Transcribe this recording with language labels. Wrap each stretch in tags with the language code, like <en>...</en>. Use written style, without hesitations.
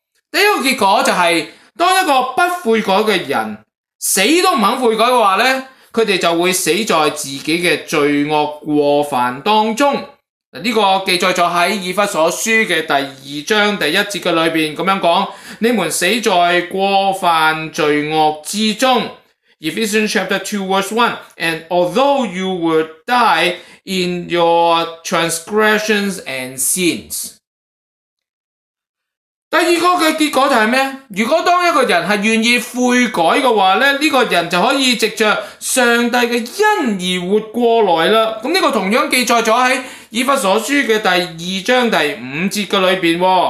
<zh>第一个结果就是，当一个不悔改的人死都不肯悔改的话，他们就会死在自己的罪恶过犯当中。这个记载在以弗所书的第二章第一节的里面，这样讲，你们死在过犯罪恶之中。</zh> <en>Ephesians chapter 2 verse 1, and although you would die in your transgressions and sins.</en> <zh>第二个的结果就是什么？如果当一个人是愿意悔改的话，这个人就可以藉着上帝的恩而活过来了。这个同样记载在以弗所书的第二章第五节里面。</zh>